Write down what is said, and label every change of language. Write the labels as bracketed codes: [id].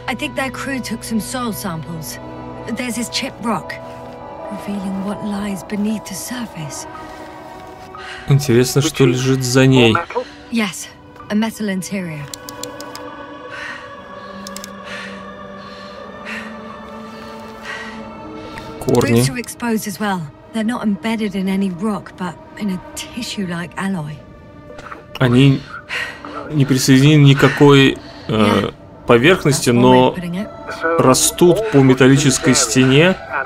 [en] I think their crew took some soil samples. There's this chipped rock, revealing what lies beneath the surface. [ru] Интересно, что лежит за ней. [en] Yes, a metal interior. [ru] Корни. [en] Roots are exposed as well. They're not embedded in any rock, but in a tissue-like alloy. [ru] Они не присоединены никакой поверхности, но растут по металлической стене.